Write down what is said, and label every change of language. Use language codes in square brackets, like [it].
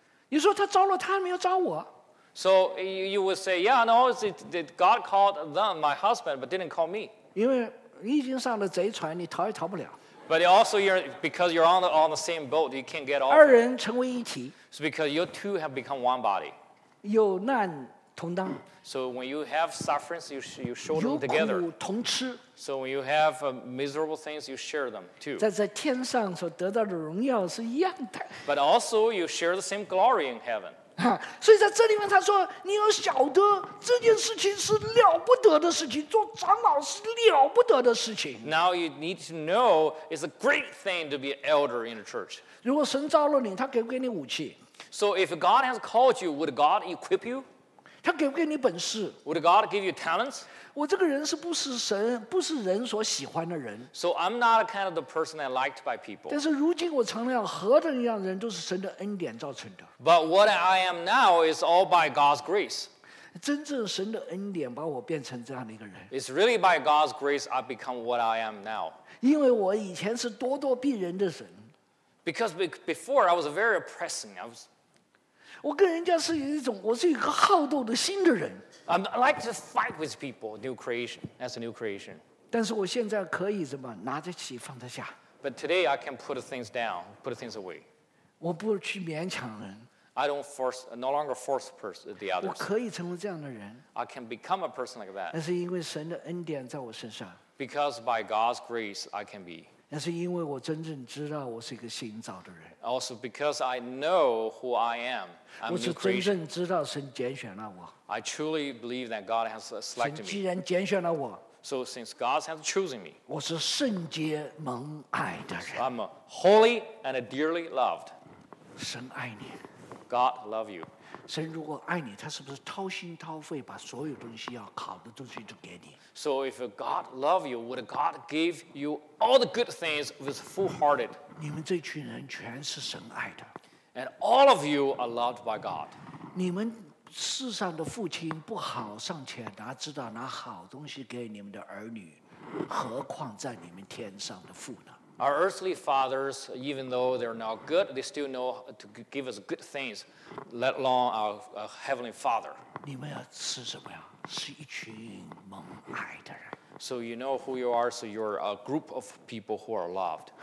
[zh] 你说他召了他，没有召我。 [en] So you would say, yeah, no, it God called them, my husband, but didn't call me. [zh] 因为你已经上了贼船，你逃也逃不了。 [en] But also, you're, because you're on the same boat, you can't get off. [zh] 二人成为一体。 [en] So because you two have become one body. [zh] 有难同当。 [en] So when you have sufferings, you show them together. [zh] 有苦同吃。 [en] So when you have miserable things, you share them too. [zh] 在天上所得到的荣耀是一样的。 [en] But also, you share the same glory in heaven. [zh] 所以在这里面他说你要晓得这件事情是了不得的事情做长老是了不得的事情 [en] Now you need to know it's a great thing to be an elder in a church [zh] 如果神召了你他给不给你武器 [en] So if God has called you would God equip you [zh] 他给不给你本事 [en] Would God give you talents [zh] 我这个人是不是神不是人所喜欢的人 [en] So I'm not a kind of the person that liked by people [zh] 但是如今我成了何等一样的人都是神的恩典造成的 [en] But what I am now is all by God's grace. [zh] 真正神的恩典把我变成这样的一个人。 [en] It's really by God's grace I've become what I am now. [zh] 因为我以前是咄咄逼人的神。 [en] Because before I was very oppressing. I was. [zh] 我跟人家是一种，我是一个好斗的心的人。 [en] I like to fight with people, new creation, as a new creation. [zh] 但是我现在可以怎么拿得起放得下。 [en] But today I can put things down, put things away. [zh] 我不去勉强人。 [en] I don't force, no longer force the others. [zh] 我可以成为这样的人。 [en] I can become a person like that. [zh] 那是因为神的恩典在我身上。 [en] Because by God's grace, I can be. [zh] 那是因为我真正知道我是一个新造的人。 [en] Also because I know who I am, I'm a new creation. [zh] 我是真正知道神拣选了我。 [en] I truly believe that God has selected me. [zh] 神既然拣选了我。 [en] So since God has chosen me, [zh] 我是圣洁蒙爱的人。 [en] So I'm a holy and a dearly loved. [zh] 神爱你 [en] God love you. [zh] 神如果爱你，他是不是掏心掏肺把所有东西要好的东西都给你 [en] ？So if God love you, would God give you all the good things with full hearted? [zh] 你们这群人全是神爱的 [en] ，and all of you are loved by God. [zh] 你们世上的父亲不好尚且哪知道拿好东西给你们的儿女，何况在你们天上的父呢？ [en] Our earthly fathers, even though they're not good, they still know to give us good things, let alone our heavenly father. [zh] 你们要吃什么呀？是一群蒙爱的人。 [en] So you know who you are, so you're a group of people who are loved.